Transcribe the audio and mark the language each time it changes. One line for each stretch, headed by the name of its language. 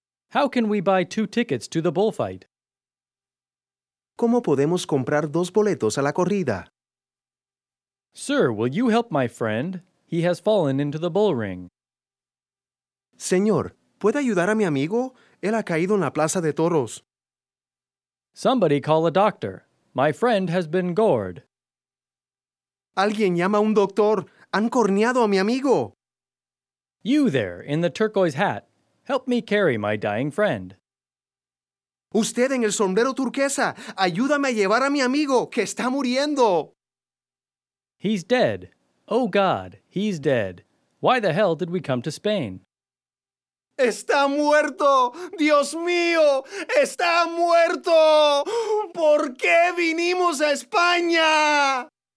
English: How can we buy two tickets to the bullfight?
Spanish: ¿Cómo podemos comprar dos boletos a la corrida?
English: Sir, will you help my friend? He has fallen into the bullring.
Spanish: Señor, ¿puede ayudar a mi amigo? Él ha caído en la plaza de toros.
English: Somebody call a doctor. My friend has been gored.
Spanish: Alguien llama a un doctor. Han corneado a mi amigo.
English: You there, in the turquoise hat. Help me carry my dying friend.
Spanish: Usted en el sombrero turquesa. Ayúdame a llevar a mi amigo, que está muriendo.
English: He's dead. Oh, God, he's dead. Why the hell did we come to Spain?
Spanish: ¡Está muerto! ¡Dios mío! ¡Está muerto! ¿Por qué vinimos a España?